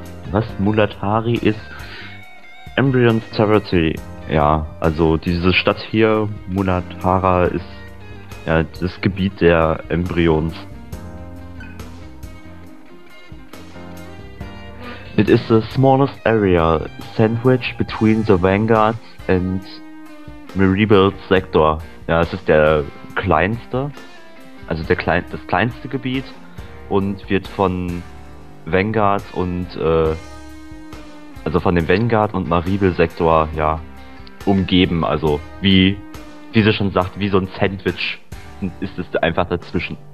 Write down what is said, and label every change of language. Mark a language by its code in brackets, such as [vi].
[de] Was? Mulatari ist Embryon's Territory. Ja, also diese Stadt hier, Mulatara, ist ja das Gebiet der Embryons. [en] It is the smallest area sandwiched between the Vanguard and Meribald Sector. [de] Ja, es ist der kleinste, also der das kleinste Gebiet und wird von Vanguard und also von dem Vanguard und Meribald Sector ja umgeben. Also wie sie schon sagt, wie so ein Sandwich ist es einfach dazwischen.